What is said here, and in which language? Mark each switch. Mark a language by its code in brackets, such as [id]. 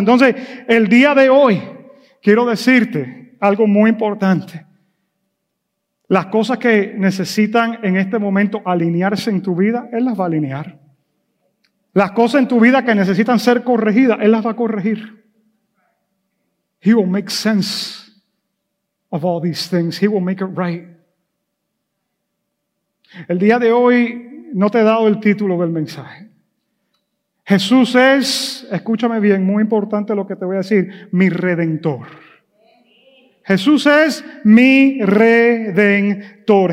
[es] Entonces, el día de hoy, quiero decirte algo muy importante. Las cosas que necesitan en este momento alinearse en tu vida, Él las va a alinear. Las cosas en tu vida que necesitan ser corregidas, Él las va a corregir. [en] He will make sense of all these things. He will make it right. [es] El día de hoy, no te he dado el título del mensaje. Jesús es, escúchame bien, muy importante lo que te voy a decir, mi Redentor. Jesús es mi Redentor.